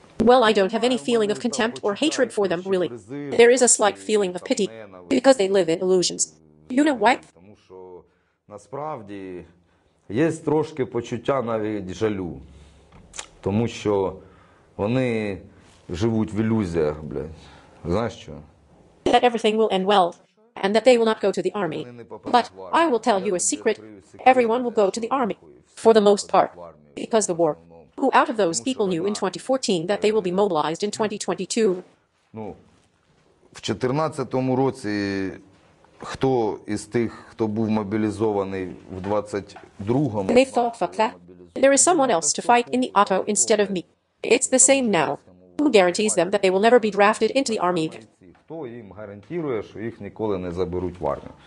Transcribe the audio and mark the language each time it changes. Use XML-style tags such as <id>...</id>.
<en>Well, I don't have any feeling of contempt or hatred for them, really. There is a slight feeling of pity, because they live in illusions. You know why?</en> <uk>Насправді є трошки почуття навіть жалю, тому що вони живуть в ілюзіях, блядь. Знаєш що?</uk> <en>That everything will end well, and that they will not go to the army. But I will tell you a secret. Everyone will go to the army, for the most part, because the war. Who out of those people knew in 2014 that they will be mobilized in 2022?</en> <uk>Ну, в 14-му році хто із тих, хто був мобілізований в 22-му?</uk> <en>They thought, fuck that. There is someone else to fight in the auto instead of me. It's the same now. Who guarantees them that they will never be drafted into the army?</en> <uk>Хто їм гарантує, що їх ніколи не заберуть в армію?</uk>